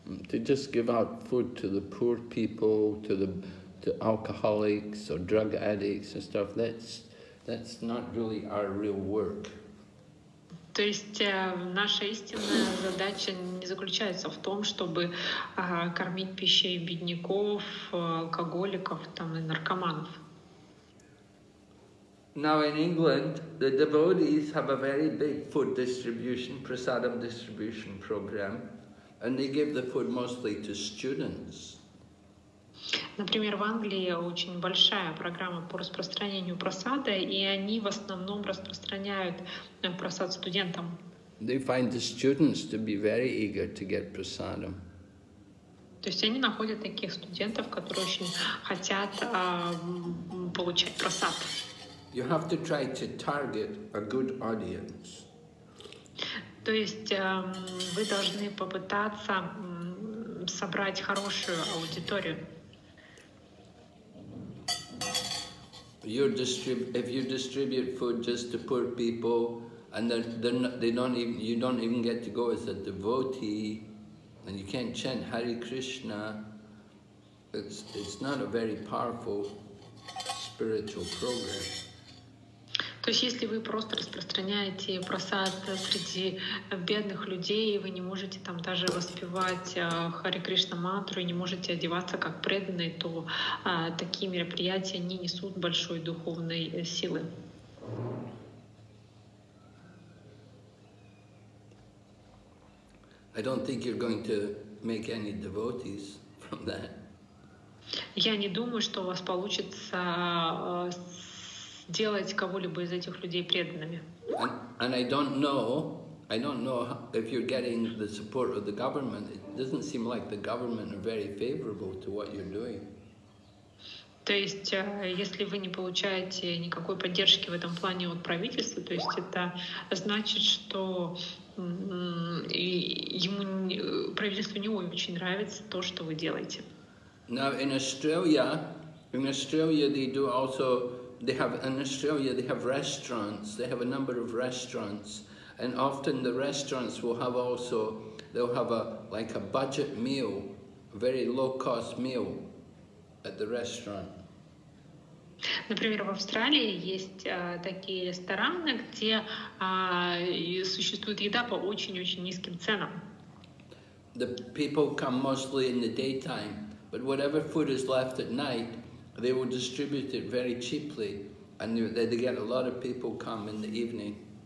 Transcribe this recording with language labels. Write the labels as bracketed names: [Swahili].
[English] To just give out food to the poor people, to alcoholics or drug addicts and stuff, that's not really our real work. [Russian] То есть наша истинная задача не заключается в том, чтобы кормить пищей бедняков, алкоголиков там, и наркоманов. [English] Now in England, the devotees have a very big food distribution, prasadam distribution program, and they give the food mostly to students. [Russian] Например, в Англии очень большая программа по распространению просады, и они в основном распространяют просад студентам. [English] They find the students to be very eager to get prasadam. [Russian] То есть они находят таких студентов, которые очень хотят получать просад. [English] You have to try to target a good audience. [Russian] То есть вы должны попытаться собрать хорошую аудиторию. [English] If you distribute food just to poor people, and you don't even get to go as a devotee, and you can't chant Hare Krishna, it's not a very powerful spiritual program. [Russian] То есть, если вы просто распространяете просад среди бедных людей, вы не можете там даже воспевать Hare Krishna мантру и не можете одеваться как преданный, то такие мероприятия не несут большой духовной силы. [English] I don't think you're going to make any devotees from that. [Russian] Я не думаю, что у вас получится делать кого-либо из этих людей преданными. [English] And I don't know if you're getting the support of the government. It doesn't seem like the government are very favorable to what you're doing. [Russian] То есть, если вы не получаете никакой поддержки в этом плане от правительства, то есть это значит, что правительству не очень нравится то, что вы делаете. [English] Now in Australia they do also. They have in Australia. They have restaurants. They have a number of restaurants, and often the restaurants will have also. They'll have a budget meal, a very low cost meal, at the restaurant. [Russian] Например, в Австралии есть такие рестораны, где существует еда по очень-очень низким ценам. [English] The people come mostly in the daytime, but whatever food is left at night, they will distribute it very cheaply, and they get a lot of people come in the evening.